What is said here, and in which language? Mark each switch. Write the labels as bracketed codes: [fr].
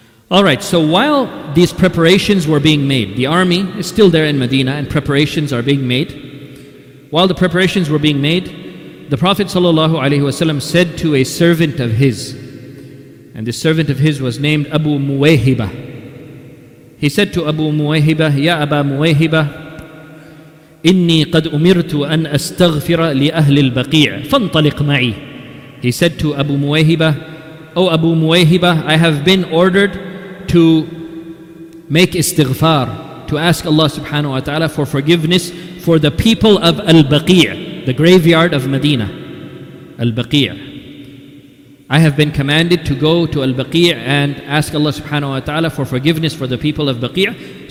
[en] All right, so while these preparations were being made, the army is still there in Medina and preparations are being made. While the preparations were being made, the Prophet sallallahu alaihi wasallam said to a servant of his, and this servant of his was named Abu Muwayhiba. He said to [ar] Abu Muwayhiba, Ya Aba Muwayhiba, إني قد أمرت أن أستغفر لأهل البقيع فانطلق معي. [en] He said to Abu Muwayhiba, O Abu Muwayhiba, I have been ordered to make istighfar, to ask Allah subhanahu wa ta'ala for forgiveness for the people of Al-Baqi', the graveyard of Medina. Al-Baqi'. I have been commanded to go to Al-Baqi' and ask Allah subhanahu wa ta'ala for forgiveness for the people of Baqi'.